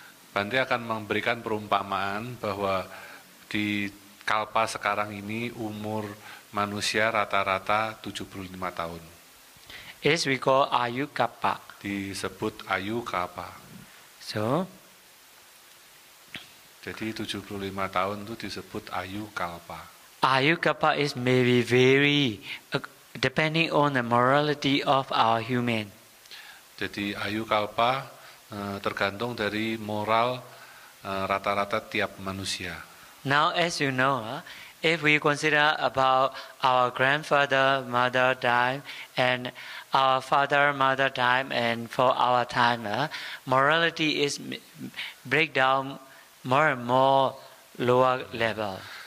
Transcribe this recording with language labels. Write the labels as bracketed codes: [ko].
[id] Bante akan memberikan perumpamaan bahwa di kalpa sekarang ini umur manusia rata-rata 75 tahun. [en] Is we call ayukappa. [id] Disebut ayukappa. [en] So, [id] jadi 75 tahun itu disebut ayukappa. [en] Ayukappa is maybe very depending on the morality of our human. [id] Jadi ayukappa tergantung dari moral rata-rata tiap manusia. [en] Now, as you know, if we consider about our grandfather, mother time, and our father, mother time, and for our time, morality is break down more and more lower level.